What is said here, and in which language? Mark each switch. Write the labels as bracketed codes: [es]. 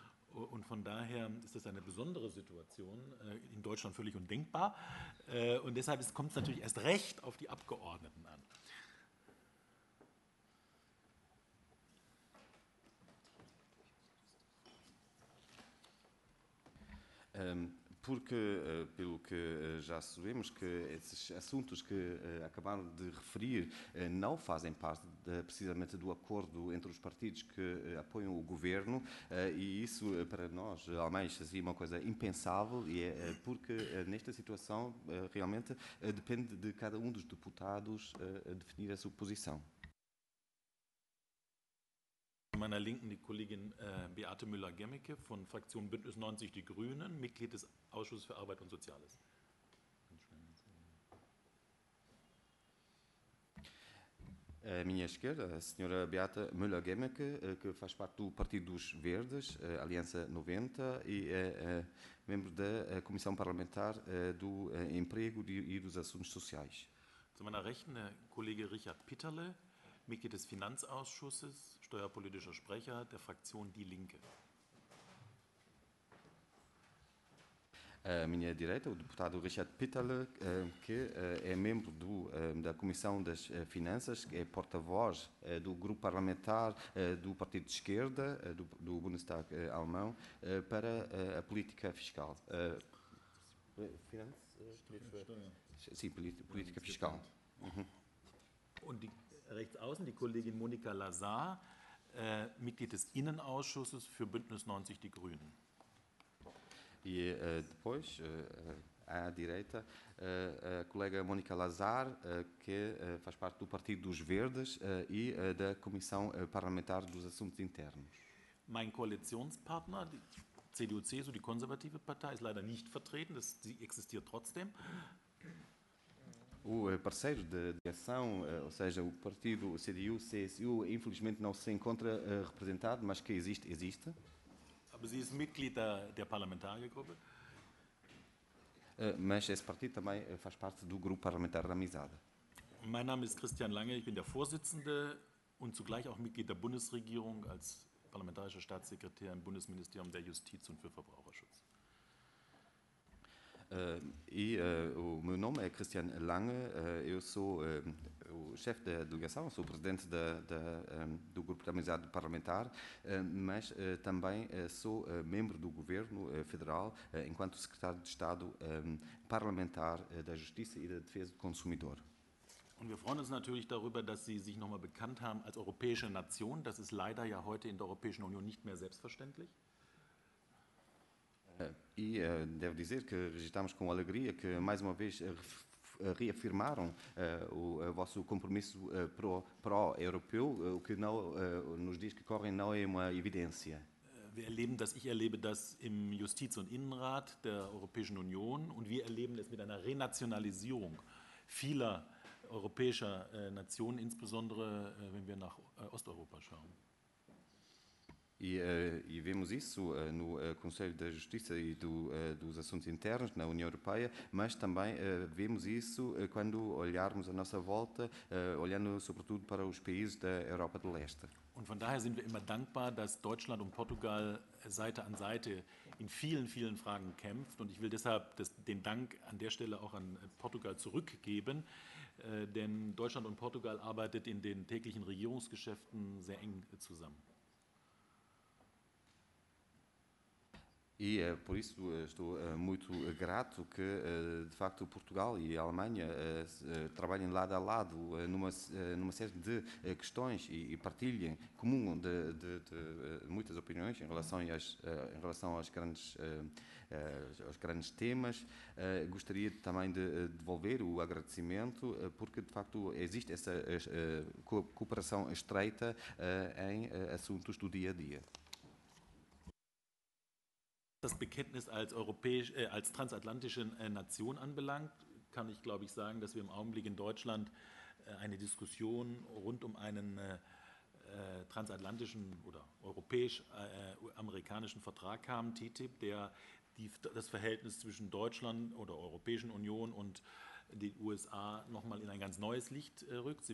[de] Und von daher ist das eine besondere Situation, in Deutschland völlig undenkbar. Und deshalb kommt es natürlich erst recht auf die Abgeordneten an. [pt] Porque, pelo que já sabemos, que esses assuntos que acabaram de referir não fazem parte precisamente do acordo entre os partidos que apoiam o governo, e isso para nós, alemães, é uma coisa impensável, e é porque nesta situação realmente depende de cada um dos deputados definir a sua posição. [de] Meiner Linken die Kollegin Beate Müller-Gemmicke von Fraktion Bündnis 90 Die Grünen, Mitglied des Ausschusses für Arbeit und Soziales. [pt] À minha esquerda, a senhora Beata Müller-Gemmicke, que faz parte do Partido dos Verdes, Aliança 90, e é membro da Comissão Parlamentar do Emprego e dos Assuntos Sociais. [de] Zu meiner Rechten, der Kollege Richard Pitterle, Mitglied des Finanzausschusses, steuerpolitischer Sprecher der Fraktion Die Linke. [pt] À minha direita, o deputado Richard Pitterle, que é membro da Comissão das Finanças, que é porta-voz do grupo parlamentar do Partido de Esquerda, do Bundestag alemão, para a política fiscal. [de] Finanz? [pt] Sim, política fiscal. [de] Und die rechts außen die Kollegin Monika Lazar, Mitglied des Innenausschusses für Bündnis 90 Die Grünen. [pt] E depois, à direita, a colega Monika Lazar, que faz parte do Partido dos Verdes e da Comissão Parlamentar dos Assuntos Internos. [de] Mein Koalitionspartner, die CDU-CSU, die konservative Partei, ist leider nicht vertreten, das, sie existiert trotzdem. [pt] O parceiro de ação, ou seja, o partido CDU-CSU, infelizmente não se encontra representado, mas que existe, existe. [de] Aber sie ist Mitglied der Parlamentariergruppe. [pt] Mas esse partido também faz parte do grupo parlamentar da Amizade. [de] Mein Name ist Christian Lange, ich bin der Vorsitzende und zugleich auch Mitglied der Bundesregierung als parlamentarischer Staatssekretär im Bundesministerium der Justiz und für Verbraucherschutz. [pt] O meu nome é Christian Lange, eu sou o chefe da delegação, sou presidente do Grupo de Amizade Parlamentar, mas também sou membro do Governo Federal, enquanto secretário de Estado parlamentar da Justiça e da Defesa do Consumidor. [de] Und wir freuen uns natürlich darüber, dass Sie sich nochmal bekannt haben als europäische Nation. Das ist leider ja heute in der Europäischen Union nicht mehr selbstverständlich. [pt] E devo dizer que registramos com alegria que mais uma vez reafirmaram o vosso compromisso pró-europeu, o que não nos diz que correm não é uma evidência. [de] Wir erleben das, ich erlebe das im Justiz- und Innenrat der Europäischen Union und wir erleben es mit einer Renationalisierung vieler europäischer Nationen, insbesondere wenn wir nach Osteuropa schauen. [pt] E vemos isso no Conselho da Justiça e dos Assuntos Internos na União Europeia, mas também vemos isso quando olharmos a nossa volta, olhando sobretudo para os países da Europa do Leste. [de] Und von daher sind wir immer dankbar, dass Deutschland und Portugal Seite an Seite in vielen, vielen Fragen kämpft. Und ich will deshalb den Dank an der Stelle auch an Portugal zurückgeben, denn Deutschland und Portugal arbeitet in den täglichen Regierungsgeschäften sehr eng zusammen. [pt] E por isso estou muito grato que, de facto, Portugal e a Alemanha trabalhem lado a lado numa série de questões e partilhem comum de muitas opiniões em relação aos grandes temas. Gostaria também de devolver o agradecimento porque, de facto, existe essa cooperação estreita em assuntos do dia a dia. [de] Das Bekenntnis als transatlantische Nation anbelangt, kann ich, glaube ich, sagen, dass wir im Augenblick in Deutschland eine Diskussion rund um einen transatlantischen oder europäisch-amerikanischen Vertrag haben, TTIP, der das Verhältnis zwischen Deutschland oder Europäischen Union und den USA nochmal in ein ganz neues Licht rückt.